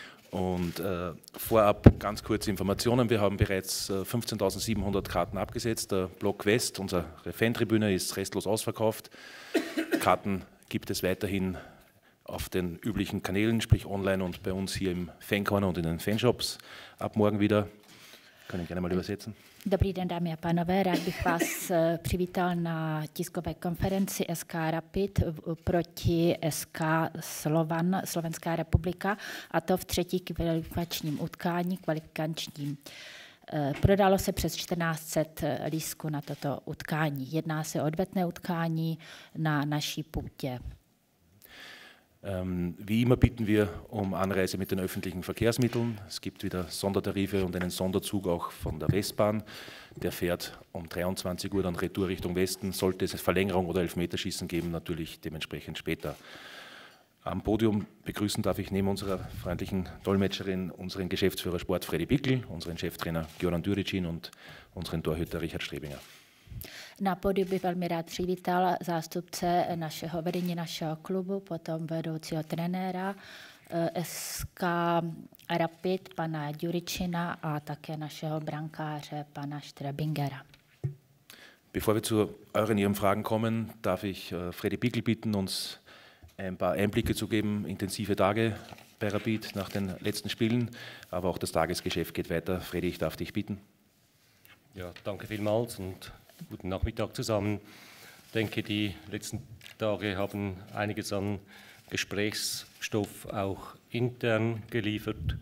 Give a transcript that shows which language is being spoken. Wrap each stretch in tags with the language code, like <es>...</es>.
<de>Und vorab ganz kurze Informationen. Wir haben bereits 15.700 Karten abgesetzt. Der Block West, unsere Fantribüne, ist restlos ausverkauft. Karten gibt es weiterhin auf den üblichen Kanälen, sprich online und bei uns hier im Fancorner und in den Fanshops. Ab morgen wieder. Können gerne mal übersetzen.</de> <cs>Dobrý den, dámy a pánové, rád bych vás přivítal na tiskové konferenci SK Rapid proti SK Slovan, Slovenská republika, a to v třetí kvalifikačním utkání, kvalifikačním. Prodalo se přes 1400 lístků na toto utkání. Jedná se o odvetné utkání na naší půdě.</cs> <de>Wie immer bitten wir um Anreise mit den öffentlichen Verkehrsmitteln. Es gibt wieder Sondertarife und einen Sonderzug auch von der Westbahn. Der fährt um 23 Uhr dann retour Richtung Westen. Sollte es Verlängerung oder Elfmeterschießen geben, natürlich dementsprechend später. Am Podium begrüßen darf ich neben unserer freundlichen Dolmetscherin unseren Geschäftsführer Sport Freddy Bickel, unseren Cheftrainer Göran Dürecin und unseren Torhüter Richard Strebinger.</de> <cs>Na podiu bych velmi rád přivítal zástupce našeho vedení našeho klubu, potom vedoucího trenéra SK Rapid, pana Dürecina, a také našeho brankáře, pana Strebingera.</cs> <de>Bevor wir zu euren Ihren Fragen kommen, darf ich Freddy Bickel bitten, uns ein paar Einblicke zu geben. Intensive Tage bei Rapid nach den letzten Spielen, aber auch das Tagesgeschäft geht weiter. Freddy, ich darf dich bitten. Ja, danke vielmals und guten Nachmittag zusammen. Ich denke, die letzten Tage haben einiges an Gesprächsstoff auch intern geliefert.</de>